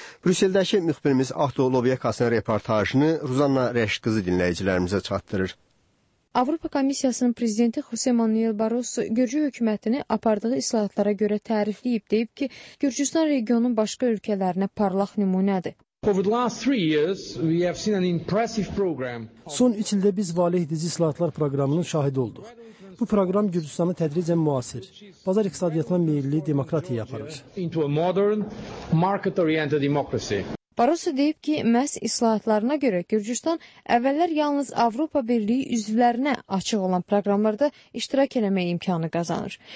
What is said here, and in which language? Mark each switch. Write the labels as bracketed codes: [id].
[az] Brüsseldəki müxbirimiz Ahto Lobyakasın reportajını Ruzanna Rəşqızı dinləyicilərimizə çatdırır. Avropa Komissiyasının prezidenti Jose Manuel Barroso Gürcü hökumətini apardığı islahatlara görə tərifləyib deyib ki, Gürcüstan regionun başqa ölkələrinə parlaq nümunədir. [en] Over the last 3 years, we have seen an impressive program. [az] Son 3 ildə biz valehedici islahatlar proqramının şahidi olduq. Bu proqram Gürcüstanı tədricən müasir, bazar iqtisadiyyatına meyilli demokratiya aparır. [en] Into a modern, market-oriented democracy. [az] Barroso deyib ki, məhz islahatlarına görə Gürcüstan əvvəllər yalnız Avropa Birliyi üzvlərinə açıq olan proqramlarda iştirak eləmək imkanı qazanır.